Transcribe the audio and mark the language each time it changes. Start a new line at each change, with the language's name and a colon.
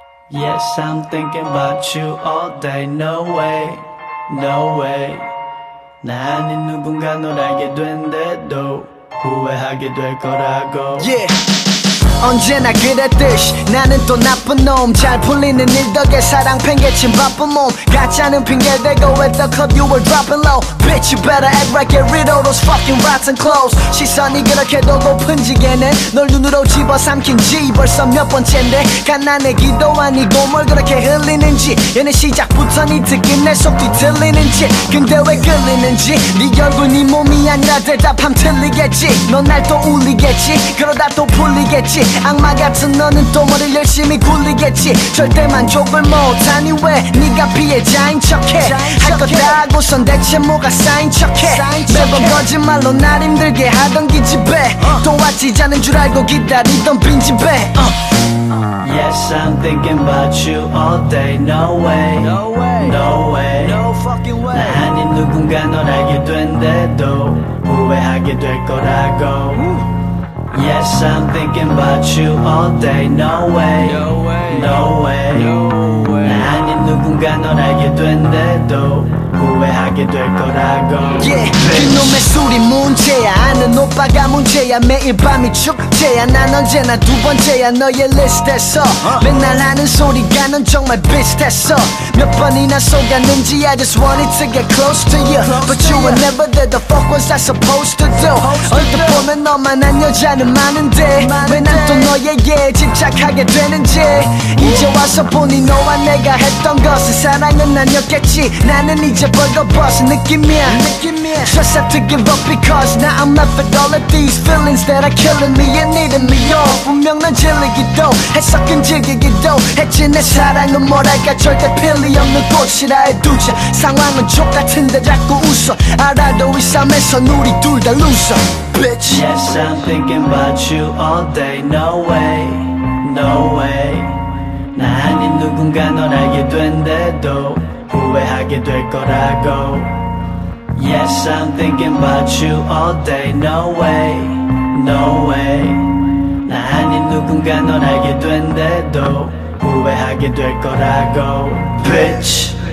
English: Yes, I'm thinking about you all day. No way, no way.
Korean: 난이 누군가 널 알게 된대도 후회하게 될 거라고.
English: Yeah.
Korean: 언제나 그랬듯이 나는 또 나쁜 놈. 잘 풀리는 일 덕에 사랑 팽개친 바쁜 몸. 가짜는 핑계대고
English: at the club you were dropping low. Bitch you better act right, get rid of those fucking rotten clothes.
Korean: 시선이 그렇게도 높은지 걔네 널 눈으로 집어삼킨 지 벌써 몇 번째인데. 갓난의 기도 아니고 뭘 그렇게 흘리는지. 얘네 시작부터 니 특기 내 속 뒤틀리는지. 근데 왜 끌리는지 니 얼굴 니 몸이 아니라 대답함 틀리겠지. 넌 날 또 울리겠지 그러다 또 풀리겠지. 악마 같은 너는 또 머리를 열심히 굴리겠지. 절대 만족을 못하니 왜 네가 피해자인 척해. 할 것 다 하고선 대체 뭐가 쌓인 척해. 매번 거짓말로 날 힘들게 하던 기집애 도와주지 않은 줄 알고 기다리던 빈집애.
English: Yes, I'm thinking about you all day. No way, no way, no way, no fucking way.
Korean: 나 아닌 누군가 널 알게 된대도 후회하게 될 거라고.
English: Yes, I'm thinking about you all day. No way, no way, no way, no way.
Korean: 나 아닌 누군가 널 알게 된대도 후회하게 될 거라고. Yeah, 그놈의 술이 문제야. 아는 오빠가 문제야. 매일 밤이 축제야. 난 언제나 두 번째야. 너의 리스트에서 맨날 하는 소리가 넌 정말 비슷했어. 몇 번이나 속았는지.
English: I just wanted to get close to you, but you were never there. The fuck was I supposed to do?
Korean: 얼핏 보면 너만 한 여자는 많은데 왜 난 또 너에게 집착하게 되는지. 이제 와서 보니 너와 내가 했던 것은 사랑은 아니었겠지. 나는 이제 벌거벗은 느낌이야. 느낌이야.
English: Just have to give up because now I'm left with all of these feelings that are killing me and needing me all.
Korean: 분명 난 질리기도 해. 섞인 질기기도 했지. 내 사랑은 뭐랄까 절대 필리 없는 곳이라 해두자. 상황은 족같은데 자꾸 웃어. 알아도 이 삶에서 우리 둘 다 루서.
English: Bitch. Yes, I'm thinking about you all day. No way, no way.
Korean: 나 아닌 누군가 널 알게 된대도 후회하게 될 거라고.
English: Yes, I'm thinking about you all day. No way, no way.
Korean: 나 아닌 누군가 널 알게 된대도 후회하게 될 거라고. Bitch.